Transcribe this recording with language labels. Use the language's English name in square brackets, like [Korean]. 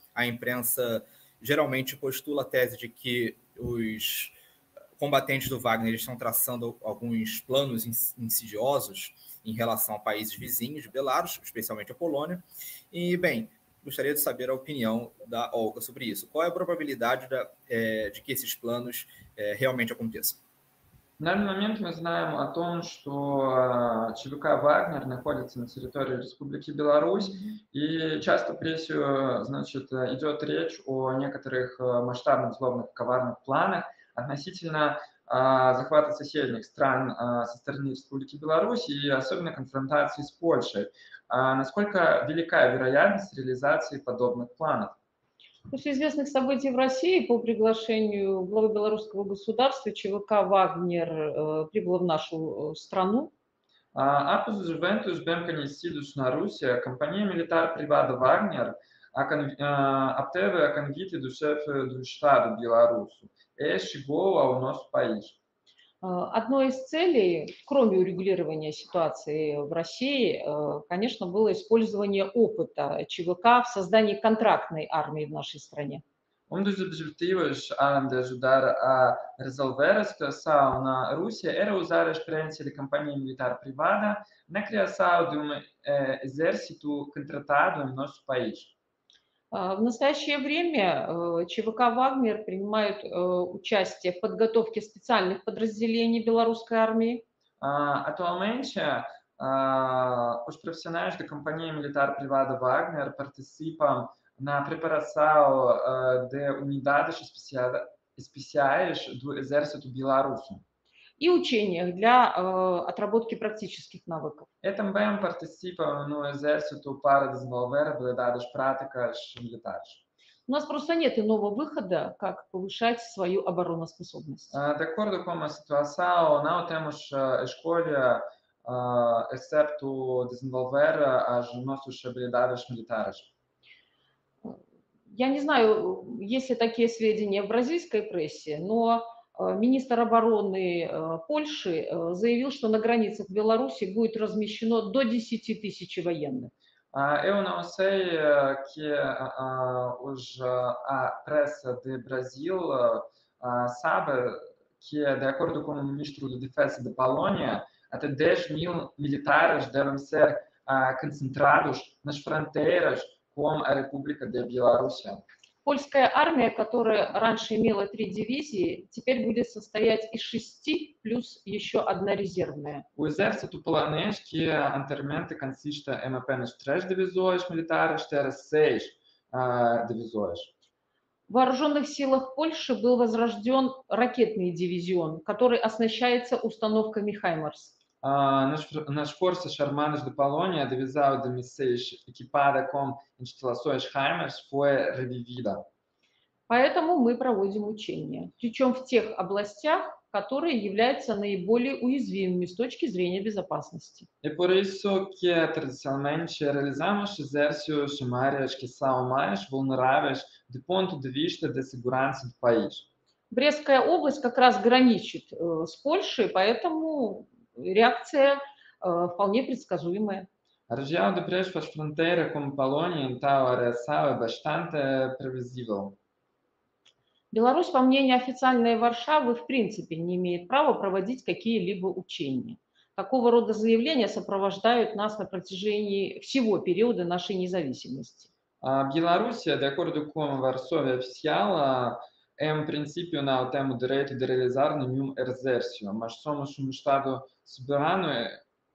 [Portuguese] A imprensa geralmente postula a tese de que os combatentes do Wagner estão traçando alguns planos insidiosos em relação a países vizinhos de Belarus, especialmente a Polônia. E, bem, gostaria de saber a opinião da Olga sobre isso. Qual é a probabilidade de que esses planos realmente aconteçam? No momento, nós sabemos que [Russian] ЧВК Wagner находится на территории Республики Беларусь, и часто прессу, значит, идет речь о некоторых масштабных, злобных, коварных планах относительно захвата соседних стран со стороны Республики Беларусь и особенно конфронтации с Польшей. Насколько велика вероятность реализации подобных планов? После известных событий в России по приглашению главы белорусского государства ЧВК Вагнер прибыла в нашу страну. [Portuguese] Após os eventos bem conhecidos na Rússia, a companhia militar privada Wagner obteve a convite do chefe do Estado bielorrusso e chegou ao nosso país. [Russian] Одной из целей, кроме урегулирования ситуации в России, конечно, было использование опыта ЧВК в создании контрактной армии в нашей стране. [Portuguese] Um dos objetivos, além de ajudar a resolver a situação na Rússia, era usar a experiência de campanha militar privada na criação de um exército contratado no nosso país. [Russian] В настоящее время ЧВК «Вагнер» принимает участие в подготовке специальных подразделений белорусской армии. [Portuguese] Atualmente, os profissionais da Companhia Militar Privada Wagner participam na preparação de unidades especiais do Exército Belarusso. [Russian] И учениях для отработки практических навыков. [Portuguese] Я também participo no exército para desenvolver habilidades práticas militares. [Russian] У нас просто нет иного выхода, как повышать свою обороноспособность. [Portuguese] De acordo com a situação, não temos escolha, excepto desenvolver as nossas habilidades militares. [Russian] Я не знаю, есть ли такие сведения в бразильской прессе, но министр обороны Польши заявил, что на границах Беларуси будет размещено до 10 тысяч военных. [Portuguese] Eu não sei que hoje a pressa de Brasil sabe que, de acordo com o ministro de defesa da Polônia, até 10 mil militares devem ser concentrados nas fronteiras com a República de Bielorrússia. [Russian] Польская армия, которая раньше имела 3 дивизии, теперь будет состоять из 6 плюс еще одна резервная. [Portuguese] O exército polonês, que anteriormente consiste em apenas 3 divisões militares, terá 6 divisões. [Russian] В вооруженных силах Польши был возрожден ракетный дивизион, который оснащается установками «Хаймарс». [Portuguese] Nas forças armadas da Polônia, a divisão de mísseis equipada com instalações HIMARS foi revivida. [Russian] Поэтому мы проводим учения, причем в тех областях, которые являются наиболее уязвимыми с точки зрения безопасности. [Portuguese] E por isso que tradicionalmente realizamos exercícios em áreas que são mais vulneráveis do ponto de vista da segurança do país. [Russian] Брестская область как раз граничит с Польшей, поэтому реакция вполне предсказуемая. [Portuguese] A região de Brest faz fronteira com Polônia, então a reação é bastante previsível. [Russian] Беларусь, по мнению официальной Варшавы, в принципе не имеет права проводить какие-либо учения. Такого рода заявления сопровождают нас на протяжении всего периода нашей независимости. [Portuguese] A Bielorrússia, de acordo com a Varsóvia oficial, em princípio não temos o direito de realizar nenhum exercício, mas somos um Estado soberano e...